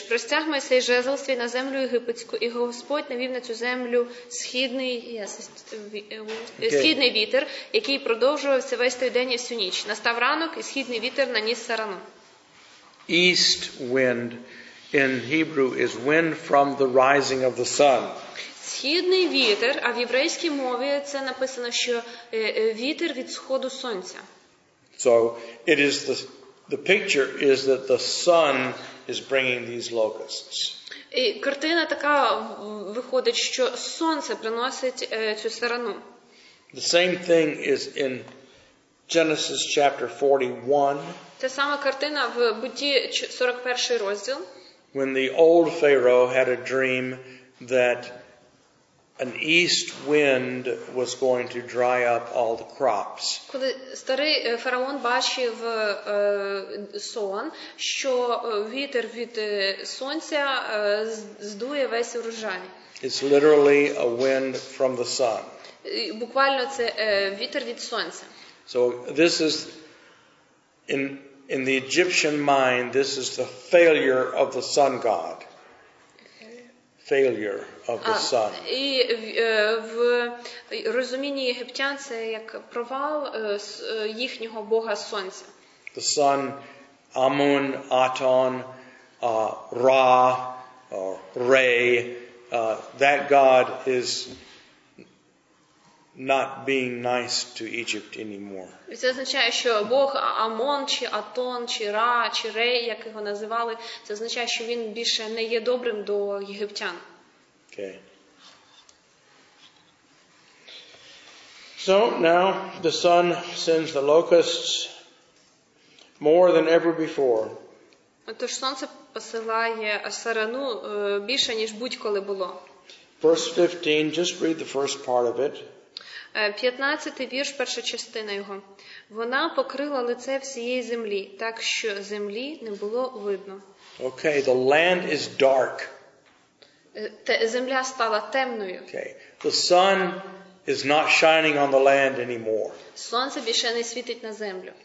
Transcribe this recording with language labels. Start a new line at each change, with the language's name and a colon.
Ukrainian: Простяг Мойсей жезл свій на землю Єгипетську, і Господь навів на цю землю східний вітер, який продовжувався весь той день і всю ніч. Настав ранок, і східний вітер наніс сарану.
English: East wind in Hebrew is wind from the rising of the sun.
Ukrainian: Східний вітер, а в єврейській мові це написано, що вітер від сходу сонця.
English: So it is the picture is that the sun is bringing these locusts.
Ukrainian: І картина така виходить, що сонце приносить цю сарану.
English: The same thing is in Genesis chapter 41.
Ukrainian: Та сама картина в Бутті 41 розділ.
English: When the old Pharaoh had a dream that an east wind was going to dry up all the crops.
Ukrainian: Коли старий фараон бачив сон, що вітер від сонця здує весь урожай.
English: It's literally a wind from the sun.
Ukrainian: Буквально це вітер від сонця.
English: So this is in the Egyptian mind, this is the failure of the sun god. Failure of the sun.
Ukrainian: І в розумінні єгиптян це як провал їхнього бога сонця.
English: The sun, Amun, Aton, Ra, or Re, that god is not being nice to Egypt anymore.
Ukrainian: Це означає, що бог Амон чи Атон чи Ра чи Рей, як його називали, це означає, що він більше не є добрим до єгиптян.
English: Okay. So now the sun sends the locusts more than ever before.
Ukrainian: Тож сонце посилає сарану більше ніж будь-коли було.
English: Verse 15, just read the first part of it.
Ukrainian: 15-й вірш, перша частина його. Вона покрила лице всієї землі, так що землі не було видно.
English: Okay, the land is dark.
Ukrainian: Земля стала темною.
English: Okay, the sun is not shining on the land anymore.
Ukrainian: Сонце більше не світить на землю.